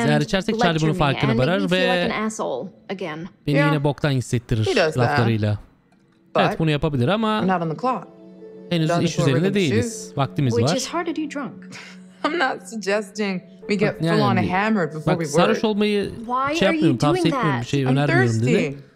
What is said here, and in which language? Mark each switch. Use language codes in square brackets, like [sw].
[tr] Eğer içersek Charlie bunun farkına varır ve beni yine boktan hissettirir laflarıyla. Evet, bunu yapabilir ama henüz iş üzerinde değiliz. Vaktimiz var. [en] I'm not suggesting we get full on a hammer before we work. [tr] Bak, sarhoş olmayı şey yapmıyorum, tavsiye etmiyorum, bir şey önermiyorum dedi.